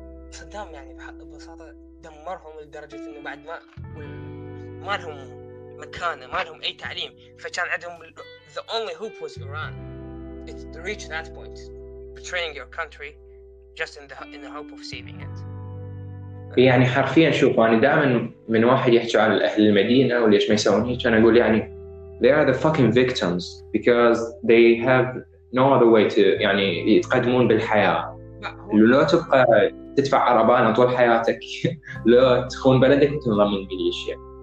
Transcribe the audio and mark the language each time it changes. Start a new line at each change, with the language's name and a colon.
Arabic: صدام يعني ببساطة دمرهم لدرجة إنه بعد ما لهم مكانة ما لهم أي تعليم فكان عندهم
English: the only hope was Iran. It reached that point, betraying your country just in the hope of saving it.
Arabic: يعني حرفيا شوف انا دائما من واحد يحكي على اهل المدينه وليش ما يسوون هيك انا اقول يعني
English: they are the fucking victims because they have no other way to
Arabic: يعني يتقدمون بالحياه لو تبقى تدفع عربان طول حياتك لو تخون بلدك وتنضم للميليشيا